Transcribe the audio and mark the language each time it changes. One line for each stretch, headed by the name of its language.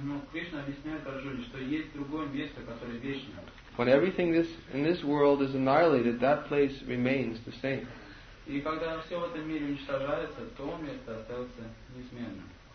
Russian: Krishna объясняет Арджуне, что есть другое место, которое вечно.
English: When everything this in this world is annihilated, that place remains the same.
Russian: И когда все в этом мире уничтожается, то место остается неизменным.